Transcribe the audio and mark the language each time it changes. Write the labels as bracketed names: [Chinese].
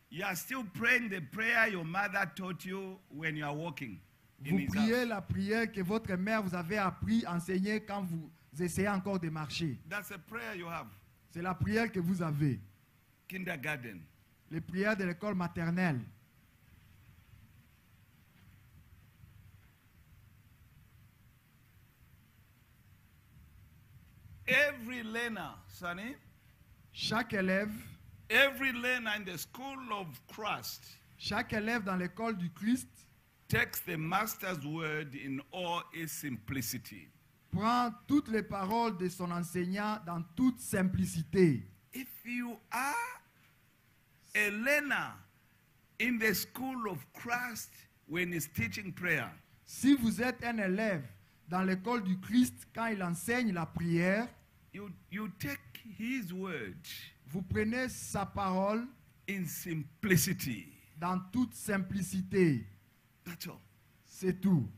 [English] you are still praying the prayer your mother taught you when you are walking. [French] Vous priez la prière que votre mère vous avait appris, enseigné quand vous essayez encore de marcher. [English] That's a prayer you have. [French] C'est la prière que vous avez. [English] Kindergarten. [French] Les prières de l'école maternelle. [English] Every learner, Sonny. [French] Chaque élève. [English] Every learner in the school of Christ. [French] Chaque élève dans l'école du Christ. [English] Takes the master's word in all its simplicity. [French] Prend toutes les paroles de son enseignant dans toute simplicité. [English] If you are a learner in the school of Christ when he's teaching prayer. [French] Si vous êtes un élève dans l'école du Christ quand il enseigne la prière, [English] you take his word. [French] Vous prenez sa parole [English] in simplicity. [French] Dans toute simplicité. [English] That's all. [French] C'est tout.